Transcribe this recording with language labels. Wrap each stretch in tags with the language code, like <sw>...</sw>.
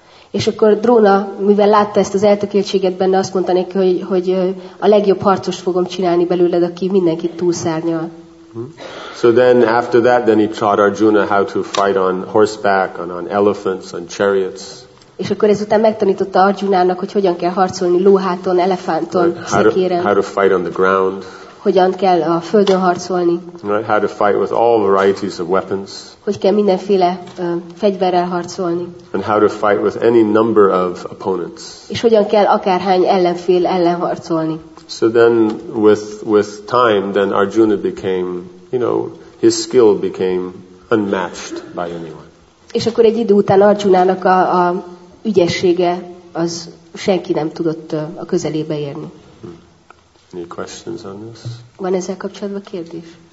<hu>És akkor Drona, mivel látta ezt az eltökéltséget benne, azt mondta neki, hogy a legjobb harcost fogom csinálni belőled, aki mindenkit túlszárnyal.</hu> <en>So then after that, then he taught Arjuna how to fight on horseback, on elephants, on chariots.</en> <hu>És akkor ezután megtanította Arjunának, hogy hogyan kell harcolni lóháton, elefánton, szekéren.</hu> <en>How to fight on the ground.</en> <hu>hogyan kell a földön harcolni.</hu> <en>Right, how to fight with all varieties of weapons.</en> <hu>Hogy kell mindenféle fegyverrel harcolni.</hu> <en>And how to fight with any number of opponents.</en> <hu>És hogyan kell akárhány ellenfél ellen harcolni.</hu> <en>So then with time then Arjuna became, you know, his skill became unmatched by anyone.</en> <hu>És akkor egy idő után Arjunának a ügyessége az senki nem tudott a közelébe érni.</hu> <en>Any questions on this?</en> <hu>Van ezzel kapcsolatban kérdés?</hu>